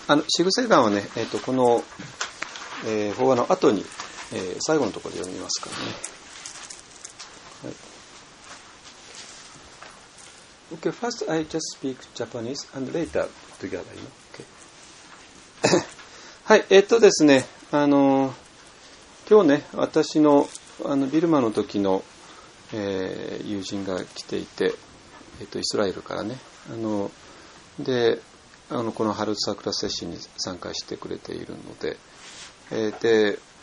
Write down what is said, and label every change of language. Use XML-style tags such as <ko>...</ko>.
<ja>仕草願はね、この、法話の後に、最後のところで読みますからね。はい。</ja> <en>Okay, first I just speak Japanese and later together, you know? Okay.</en> <ja>はい、ですね、今日ね、私の、ビルマの時の、友人が来ていて、イスラエルからね、で、この春桜セッションに参加してくれているので、で、</ja>